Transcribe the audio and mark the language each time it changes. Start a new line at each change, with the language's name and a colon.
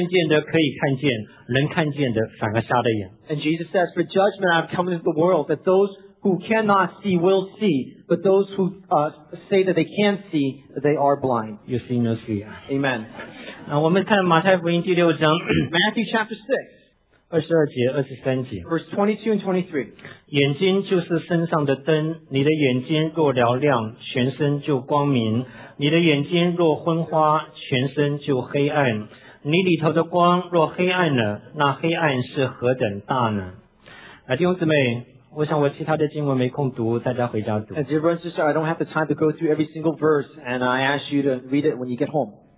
Chinese: 然后耶稣讲了一句话，我为着审判来到这个世上来，叫不能看见的可以看见，能看见的反而瞎了眼。
English: And Jesus says, for judgment, I've come into the world that those who cannot see will see, but those who say that they can't see, they are blind. You see, no see. Amen.
Chinese: 我们看马太福音第六章，
English: Matthew chapter 6.
Chinese: 22节23节。
English: Verse 22 and 23。
Chinese: 眼睛就是身上的灯，你的眼睛若嘹亮，全身就光明；你的眼睛若昏花，全身就黑暗。你里头的光若黑暗了，那黑暗是何等大呢？弟兄姊妹， 我想我其他的经文没空读，大家回家读。
English: Dear brothers and sisters, I don't have the time to go through every single verse, and I ask you to read it when you get home.